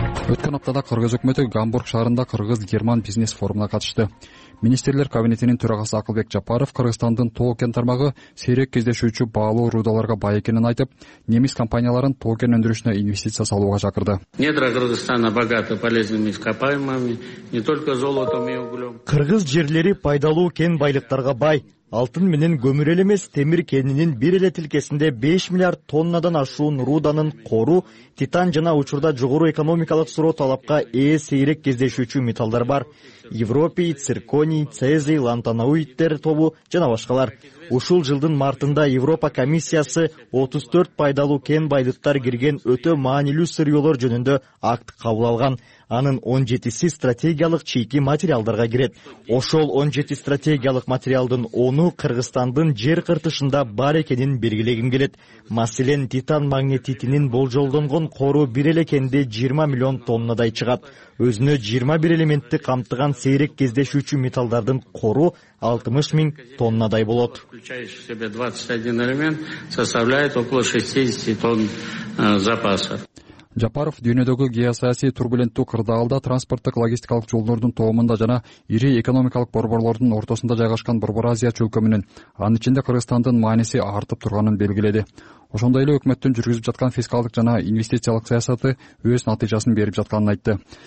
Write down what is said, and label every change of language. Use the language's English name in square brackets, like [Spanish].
[Kyrgyz] Өткөн аптада кыргыз өкмөтү Гамбург шаарында кыргыз-герман бизнес форумуна катышты. Министрлер кабинетинин төрагасы Акылбек Жапаров Кыргызстандын тоо-кен тармагы сейрек кездешүүчү баалуу рудаларга бай экенин айтып, немис компанияларын тоо-кен өндүрүшүнө инвестиция салууга чакырды. [Russian] Недра Кыргызстана богаты полезными ископаемыми, не только золотом и углем. [Kyrgyz] Кыргыз жерлери пайдалуу кен байлыктарга бай. Алтын менен көмүр эле эмес, темир кенинин бир эле тилкесинде 5 миллиард тоннадан ашуун руданын кору, титан жана учурда жогору экономикалык суроо талапка ээ сейрек кездешүүчү металлдар бар. Европий, цирконий, цезий, лантанауиттер тобу жана башкалар. Ушул жылдын мартында Европа комиссиясы 34 пайдалуу кен байлыктар кирген өтө маанилүү сырьёлор жөнүндө акт кабыл алган. Анын 17 стратегиялык чийки материалдарга кирет. Ошол 17 стратегиялык материалдын 10 Кыргызстандын жер кыртышында бар экенин белгилегим келет. Маселен, титан магнетитинин болжолдонгон кору бир эле кенде 20 миллион тоннадай чыгат. Өзүнө 21 элементти камтыган сейрек кездешүүчү металлдардын кору 60 миң тоннадай болот. [Russian] Включающий в себе 21 элемент составляет около 60 тонн запаса. [Kyrgyz] Жапаров дүйнөдөгү геосаясий турбуленттүү кырдаалда транспорттук логистикалык жолдордун тоомунда жана ири экономикалык борбордун ортосунда жайгашкан Борбор Азия чөлкө менен анын ичинде Кыргызстандын мааниси артып турганын белгиледи. Ошондой эле өкмөттүн жүргүзүп жаткан фискалдык жана инвестициялык саясаты өз натыйжасын берип жатканын айтты.